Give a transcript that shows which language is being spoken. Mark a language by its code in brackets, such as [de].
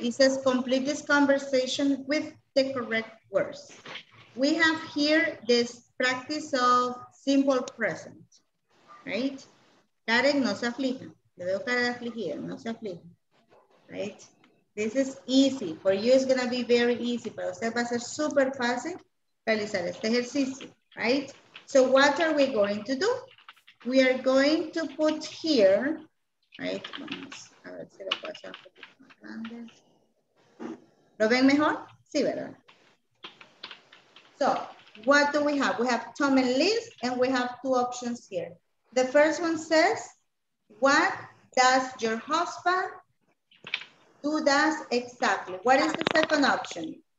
[en] It says complete this conversation with the correct words. We have here this practice of simple present, right? [es] Karen, no se aflija. Le veo cara de afligida, no se aflija. Right? [en] This is easy. For you, it's going to be very easy. [es] Para usted va a ser super fácil realizar este ejercicio. Right? [en] So what are we going to do? We are going to put here, right? [es] Vamos a ver si lo puedo hacer un poquito más grande. ¿Lo ven mejor? Sí, ¿verdad? [en] So, what do we have? We have Tom and Liz, and we have two options here. The first one says, what does your husband do does exactly? What is the second option?